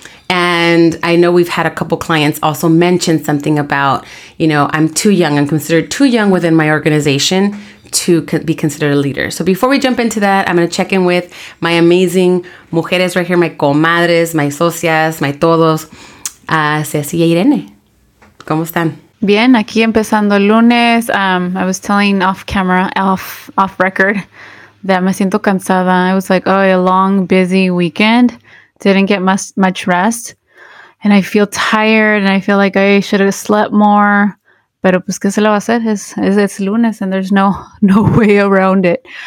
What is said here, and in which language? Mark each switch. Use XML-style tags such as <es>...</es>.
<en>And I know we've had a couple clients also mention something about, you know, I'm considered too young within my organization to be considered a leader. So before we jump into that, I'm going to check in with my amazing</en> <es>mujeres</es> <en>right here, my</en> <es>comadres,</es> <en>my</en> <es>socias,</es> <en>my</en> <es>todos,</es> <en>Ceci e Irene.</en> <es>¿Cómo están? Bien, aquí empezando el lunes.</es> <en>I was telling off camera, off record, that</en> <es>me siento cansada.</es> <en>I was like, oh, a long, busy weekend. Didn't get much rest, and I feel tired, and I feel like I should have slept more.</en> <es>Pero pues qué se lo va a hacer, es lunes,</es> <en>and there's no way around it.</en>